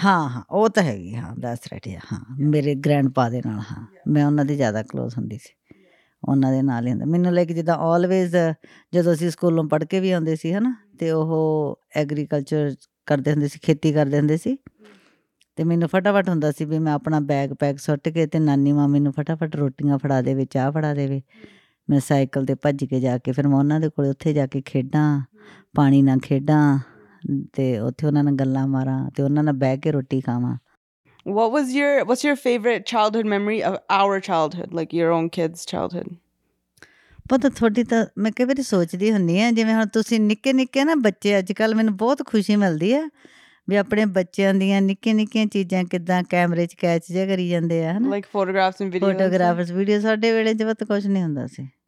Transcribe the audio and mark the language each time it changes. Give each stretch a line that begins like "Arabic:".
Punjabi: ਹਾਂ ਹਾਂ, ਉਹ ਤਾਂ ਹੈਗੀ, ਹਾਂ
English: that's right,
Punjabi: ਹਾਂ ਮੇਰੇ ਗ੍ਰੈਂਡਪਾ ਦੇ ਨਾਲ, ਹਾਂ ਮੈਂ ਉਹਨਾਂ ਦੀ ਜ਼ਿਆਦਾ ਕਲੋਜ਼ ਹੁੰਦੀ ਸੀ ਉਹਨਾਂ ਦੇ ਨਾਲ ਹੀ ਹੁੰਦਾ ਮੈਨੂੰ, ਲਾਈਕ ਜਿੱਦਾਂ ਆਲਵੇਜ਼ ਜਦੋਂ ਅਸੀਂ ਸਕੂਲੋਂ ਪੜ੍ਹ ਕੇ ਵੀ ਆਉਂਦੇ ਸੀ ਹੈ ਨਾ, ਅਤੇ ਉਹ ਐਗਰੀਕਲਚਰ ਕਰਦੇ ਹੁੰਦੇ ਸੀ, ਖੇਤੀ ਕਰਦੇ ਹੁੰਦੇ ਸੀ, ਅਤੇ ਮੈਨੂੰ ਫਟਾਫਟ ਹੁੰਦਾ ਸੀ ਵੀ ਮੈਂ ਆਪਣਾ ਬੈਗ ਪੈਗ ਸੁੱਟ ਕੇ ਅਤੇ ਨਾਨੀ ਮਾਂ ਮੈਨੂੰ ਫਟਾਫਟ ਰੋਟੀਆਂ ਫੜਾ ਦੇਵੇ, ਚਾਹ ਫੜਾ ਦੇਵੇ, ਮੈਂ ਸਾਈਕਲ 'ਤੇ ਭੱਜ ਕੇ ਜਾ ਕੇ ਫਿਰ ਮੈਂ ਉਹਨਾਂ ਦੇ ਕੋਲ ਉੱਥੇ ਜਾ ਕੇ ਖੇਡਾਂ, ਪਾਣੀ ਨਾਲ ਖੇਡਾਂ, ਅਤੇ ਉੱਥੇ ਉਹਨਾਂ ਨਾਲ ਗੱਲਾਂ ਮਾਰਾਂ, ਅਤੇ ਉਹਨਾਂ ਨਾਲ ਬਹਿ ਕੇ ਰੋਟੀ ਖਾਵਾਂ।
English: What was your, what's your favorite childhood memory of our childhood, like your own kids' childhood?
Punjabi: ਪਤਾ ਤੁਹਾਡੀ ਤਾਂ ਮੈਂ ਕਈ ਵਾਰੀ ਸੋਚਦੀ ਹੁੰਦੀ ਹਾਂ, ਜਿਵੇਂ ਹੁਣ ਤੁਸੀਂ ਨਿੱਕੇ ਨਿੱਕੇ ਨਾ ਬੱਚੇ, ਅੱਜ ਕੱਲ੍ਹ ਮੈਨੂੰ ਬਹੁਤ ਖੁਸ਼ੀ ਮਿਲਦੀ ਆ ਵੀ ਆਪਣੇ ਬੱਚਿਆਂ ਦੀਆਂ ਨਿੱਕੀਆਂ ਨਿੱਕੀਆਂ ਚੀਜ਼ਾਂ ਕਿੱਦਾਂ ਕੈਮਰੇ 'ਚ ਕੈਚ ਜਿਹਾ ਕਰੀ ਜਾਂਦੇ ਆ,
English: like photographs and video,
Punjabi: photographs video, ਸਾਡੇ ਵੇਲੇ 'ਚ ਬਹੁਤ ਕੁਛ ਨਹੀਂ ਹੁੰਦਾ ਸੀ।